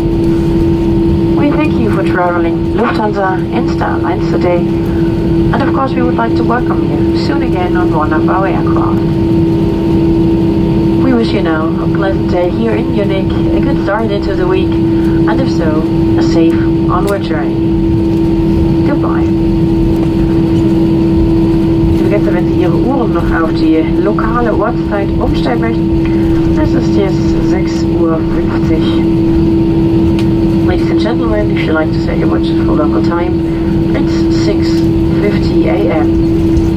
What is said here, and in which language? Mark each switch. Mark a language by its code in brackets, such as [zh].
[en] We thank you for traveling Lufthansa and Star Alliance today. And of course, we would like to welcome you soon again on one of our aircraft. We wish you now a pleasant day here in Munich, a good start into the week, and if so, a safe onward journey. Goodbye. [de] Liebe Gäste, wenn Sie Ihre Uhren noch auf die lokale Ortszeit umstellen möchten, es ist jetzt 6:50 Uhr. [en] Ladies and gentlemen, if you'd like to say your watches for local time, it's 6:50 a.m.